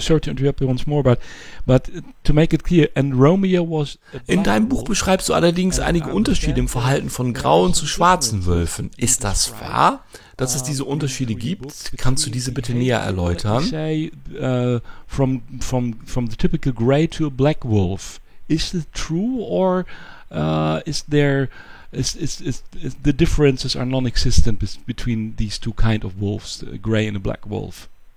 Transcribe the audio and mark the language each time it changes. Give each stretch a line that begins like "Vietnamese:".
English: Sorry to interrupt you once more, but to make it clear, and Romeo was.
German: In deinem Buch beschreibst du allerdings einige Unterschiede im Verhalten von grauen zu schwarzen Wölfen. Ist das wahr, dass es diese Unterschiede gibt? Kannst du diese bitte näher erläutern?
English: Say, from the typical gray to a black wolf. Is it true or is there? Is the differences are non-existent between these two kind of wolves, a gray and a black wolf.